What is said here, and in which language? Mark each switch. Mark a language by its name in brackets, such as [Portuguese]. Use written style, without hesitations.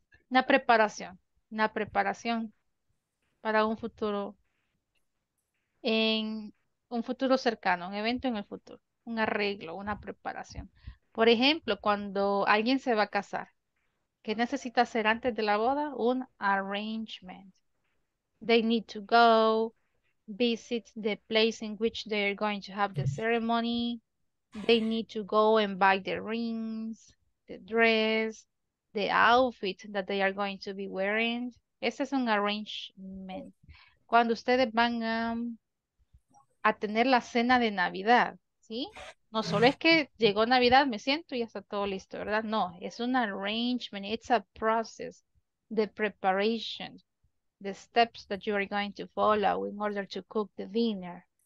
[Spanish] Una preparación para un futuro, en un futuro cercano, un evento en el futuro, un arreglo, una preparación. Por ejemplo, cuando alguien se va a casar, ¿qué necesita hacer antes de la boda? Un arrangement. [English] They need to go visit the place in which they're going to have the ceremony. They need to go and buy the rings, the dress, the outfit that they are going to be wearing. [Spanish] Ese es un arrangement. Cuando ustedes van a tener la cena de Navidad, ¿sí? No solo es que llegó Navidad, me siento y ya está todo listo, ¿verdad? No, es un arrangement. [English] It's a process, the preparation, the steps that you are going to follow in order to cook the dinner.